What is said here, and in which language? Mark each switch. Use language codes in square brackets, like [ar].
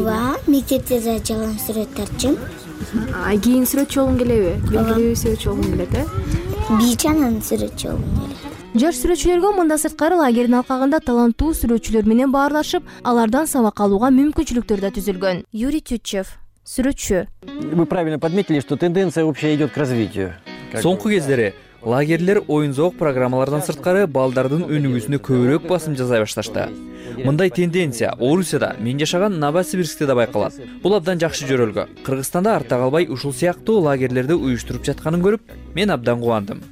[ky] Ооба, мектепте да жалаң сүрөт тартчум. А кийин сүрөтчү болгуң келеби? Белгилүү сүрөтчү болгуң келет, э? Бийч анан сүрөтчү болгуң келет. Жаш сүрөтчүлөргө мында сырткары лагердин алкагында таланттуу сүрөтчүлөр менен баарлашып, алардан сабак алууга мүмкүнчүлүктөр да түзүлгөн. Юрий Тютчев, сүрөтчү. [ru] Вы правильно подметили, что тенденция общая идёт к развитию. [ky] Соңку кездери лагерлер оюн-зоок программалардан сырткары балдардын өнүгүүсүнө көбүрөөк басым жасай башташты. Мындай тенденция Орусияда, мен жашаган Новосибирскте да байкалат. Бул абдан жакшы жөрөлгө. Кыргызстанда артта калбай ушул сыяктуу лагерлерди уюштуруп жатканын көрүп, мен абдан кубандым.